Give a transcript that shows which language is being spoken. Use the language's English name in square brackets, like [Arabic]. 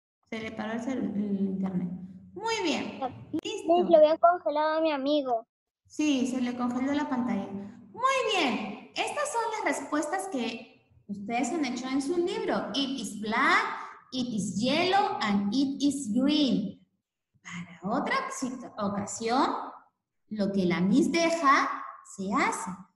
[Spanish] Se le paró el internet. Muy bien, listo. Lo habían congelado a mi amigo. Sí, se le congeló la pantalla. Muy bien, estas son las respuestas que ustedes han hecho en su libro. [English] It is black, it is yellow, and it is green. [Spanish] Para otra ocasión, lo que la Miss deja, se hace.